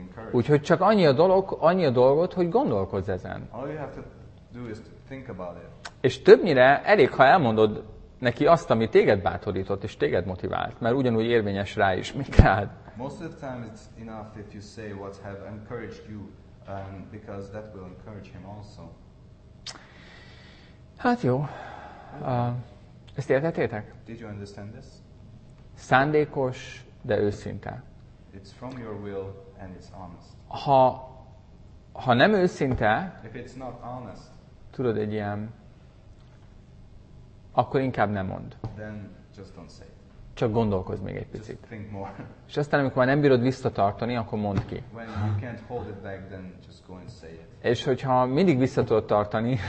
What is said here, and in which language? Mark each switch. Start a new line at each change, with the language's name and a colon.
Hungarian: Úgyhogy csak annyi a dolog, annyi a dolgot, hogy gondolkozz ezen.
English: All you have to do is to think about it.
Hungarian: És többnyire elég, ha elmondod neki azt, ami téged bátorított és téged motivált, mert ugyanúgy érvényes rá is, mint rád.
English: Most of the time it's enough if you say what have encouraged you, because that will encourage him also.
Hungarian: Hát jó. Ezt értettétek?
English: Did you understand this?
Hungarian: Szándékos, de őszinte.
English: It's from your will and it's honest.
Hungarian: Ha nem őszinte,
English: if it's not honest,
Hungarian: tudod, egy ilyen, akkor inkább nem mond.
English: Then just don't say.
Hungarian: Csak gondolkozz még egy picit.
English: Just think more.
Hungarian: És aztán, amikor már nem bírod visszatartani, akkor mondd ki.
English: When you can't hold it back, then just go and say it.
Hungarian: És hogyha mindig vissza tudod tartani,